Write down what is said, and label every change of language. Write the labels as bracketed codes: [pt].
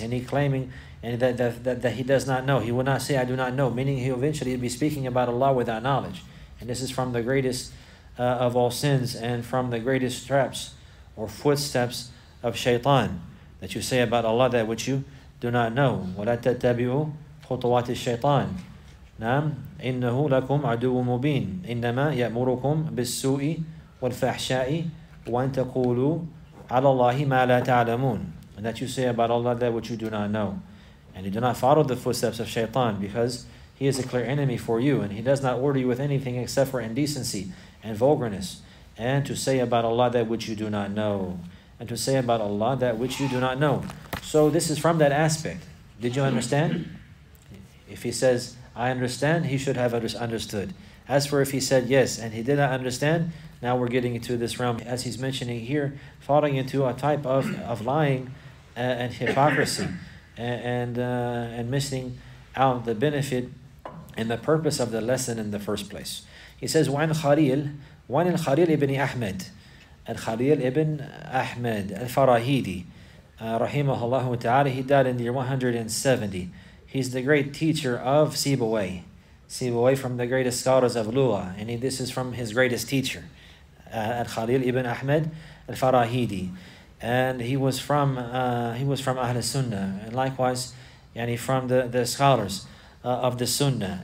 [en] And he claiming and that he does not know. He will not say I do not know, meaning he'll eventually be speaking about Allah without knowledge. And this is from the greatest of all sins and from the greatest traps or footsteps of shaitan, that you say about Allah that which you do not know. [ar] وَلَا تَتَّبِعُوا خُطُوَاتِ الشَّيْطَانِ. نعم إنه لكم عدو مبين إنما يأمركم بالسوء والفحشاء وأن تقولوا على الله ما لا تعلمون. [en] And that you say about Allah that which you do not know, and you do not follow the footsteps of Shaytan, because he is a clear enemy for you, and he does not order you with anything except for indecency and vulgarness, and to say about Allah that which you do not know, and to say about Allah that which you do not know. So this is from that aspect. Did you understand? If he says I understand, he should have understood. As for if he said yes and he did not understand, now we're getting into this realm, as he's mentioning here, falling into a type of lying and hypocrisy and missing out the benefit and the purpose of the lesson in the first place. He says, [ar] وَعَنْ الْخَلِيلِ ابْنِ أَحْمَدِ الْخَلِيلِ ابْنِ أَحْمَدِ الْفَرَاهِيدِ رَحِيمَهُ اللَّهُ تَعَالَى. [en] He died in the year 170. He's the great teacher of Sibawai, from the greatest scholars of Lua. And this is from his greatest teacher, Al-Khalil ibn Ahmed Al-Farahidi. And he was from Ahl Sunnah. And likewise, yani from the scholars of the Sunnah.